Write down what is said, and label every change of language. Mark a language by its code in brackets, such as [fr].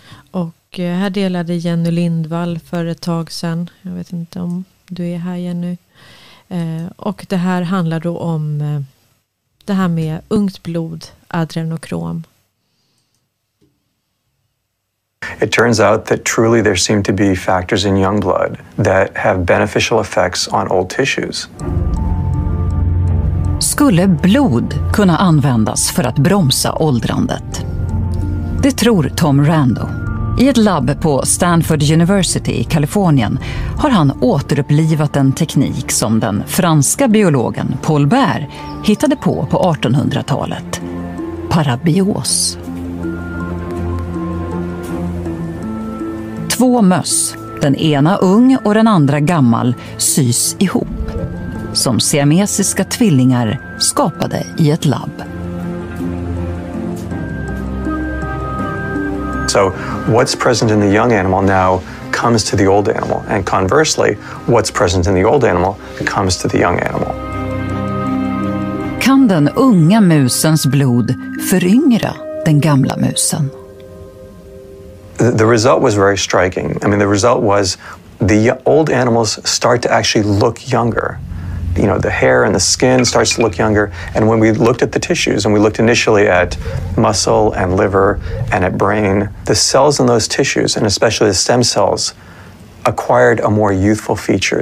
[sv] Och här delade Jenny Lindvall för ett tag sedan. Jag vet inte om du är här, Jenny. Och det här handlar då om det här med ungt blod, adrenokrom. [en] It turns out that truly there seem to be factors in young blood that have beneficial effects on old tissues. [sv] Skulle blod kunna användas för att bromsa åldrandet? Det tror Tom Rando. I ett labb på Stanford University i Kalifornien har han återupplivat en teknik som den franska biologen Paul Bär hittade på 1800-talet. Parabios. Två möss, den ena ung och den andra gammal, sys ihop. Som siamesiska tvillingar skapade i ett labb. [en] So what's present in the young animal now comes to the old animal, and conversely, what's present in the old animal comes to the young animal. [sv] Kan den unga musens blod föryngra den gamla musen? [en] The result was very striking. I mean, the result was the old animals start to actually look younger. You know, the hair and the skin starts to look younger. And when we looked at the tissues, and we looked initially at muscle and liver and at brain, the cells in those tissues, and especially the stem cells, acquired a more youthful feature.